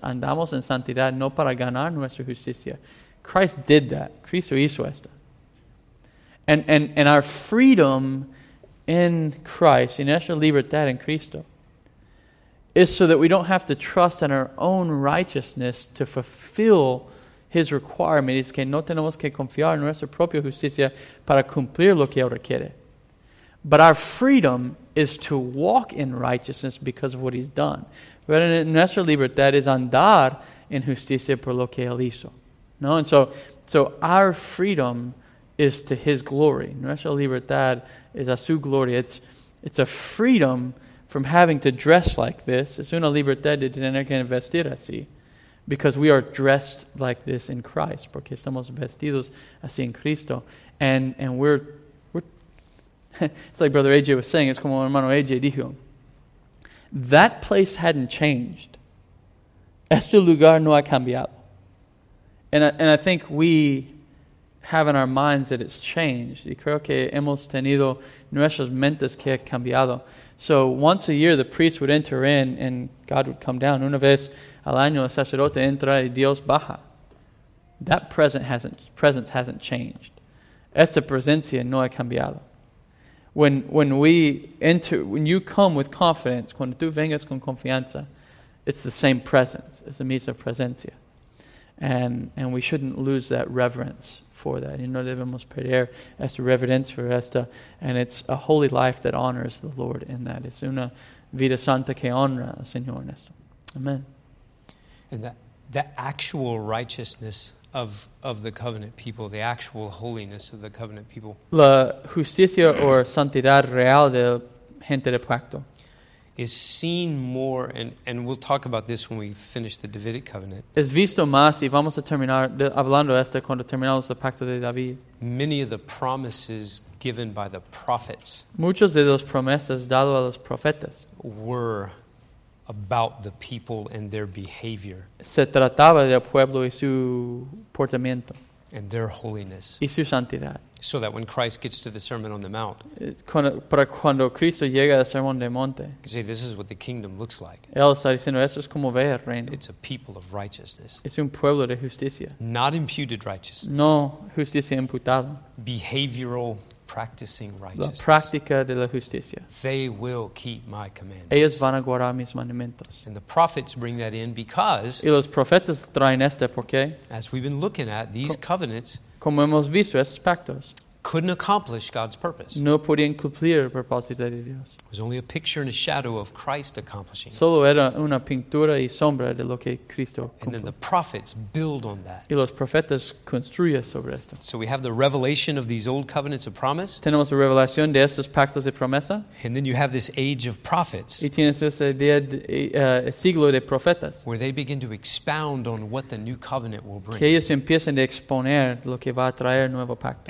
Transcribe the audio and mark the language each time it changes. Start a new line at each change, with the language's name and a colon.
Spanish: Andamos en santidad no para ganar nuestra justicia.
English: Christ did that.
Spanish: Cristo hizo esto.
English: And our freedom in Christ,
Spanish: y nuestra libertad en Cristo,
English: is so that we don't have to trust in our own righteousness to fulfill his requirement.
Spanish: Es que no tenemos que confiar en nuestra propia justicia para cumplir lo que él requiere.
English: But our freedom is to walk in righteousness because of what he's done.
Spanish: Pero nuestra libertad es andar en justicia por lo que él hizo. No?
English: And so our freedom is to his glory.
Spanish: Nuestra libertad es a su gloria.
English: It's a freedom from having to dress like this.
Spanish: Es una libertad de tener que vestir así.
English: Because we are dressed like this in Christ.
Spanish: Porque estamos vestidos así en Cristo.
English: And we're it's like Brother AJ was saying.
Spanish: Es como hermano AJ dijo.
English: That place hadn't changed.
Spanish: Este lugar no ha cambiado.
English: And I think we have in our minds that it's changed.
Spanish: Y creo que hemos tenido nuestras mentes que ha cambiado.
English: So once a year, the priest would enter in and God would come down.
Spanish: Una vez al año, el sacerdote entra y Dios baja.
English: That presence hasn't changed.
Spanish: Esta presencia no ha cambiado.
English: When you come with confidence,
Spanish: cuando tú vengas con confianza,
English: it's the same presence. It's the
Spanish: misma presencia.
English: And we shouldn't lose that reverence for that.
Spanish: Y no debemos perder esta reverencia por esta.
English: And it's a holy life that honors the Lord in that.
Spanish: Es una vida santa que honra al Señor en esto.
English: Amen. And the actual righteousness of the covenant people, the actual holiness of the covenant people.
Spanish: La justicia o santidad real de gente de pacto
English: is seen more, and we'll talk about this when we finish the Davidic covenant.
Spanish: Es visto más y vamos a terminar hablando esto cuando terminamos el pacto de David.
English: Many of the promises given by the prophets.
Spanish: Muchos de las promesas dado a los profetas
English: were about the people and their behavior.
Spanish: Se trataba del pueblo y su portamiento.
English: And their holiness.
Spanish: Y su santidad.
English: So that when Christ gets to the Sermon on the Mount,
Spanish: para cuando Cristo llega al Sermón del Monte,
English: you can say, this is what the kingdom looks like.
Spanish: Él está diciendo, esto es como ve el reino.
English: It's a people of righteousness.
Spanish: Es un pueblo de justicia.
English: Not imputed righteousness.
Spanish: No justicia imputada.
English: Behavioral practicing righteousness.
Spanish: La práctica de la justicia.
English: They will keep my commandments.
Spanish: Ellos van a guardar mis mandamientos.
English: And the prophets bring that in because,
Spanish: y los profetas traen este porque,
English: as we've been looking at, these covenants,
Spanish: como hemos visto, esos pactos,
English: couldn't accomplish God's purpose.
Spanish: No podían cumplir el propósito de Dios.
English: It was only a picture and a shadow of Christ accomplishing.
Spanish: Solo era una pintura y sombra de lo que Cristo cumplió.
English: And then the prophets build on that.
Spanish: Y los profetas construyen sobre esto.
English: So we have the revelation of these old covenants of promise.
Spanish: Tenemos la revelación de estos pactos de promesa.
English: And then you have this age of prophets.
Spanish: Y tienes ese día siglo de profetas.
English: Where they begin to expound on what the new covenant will bring.
Spanish: Que ellos empiezan a exponer lo que va a traer nuevo pacto.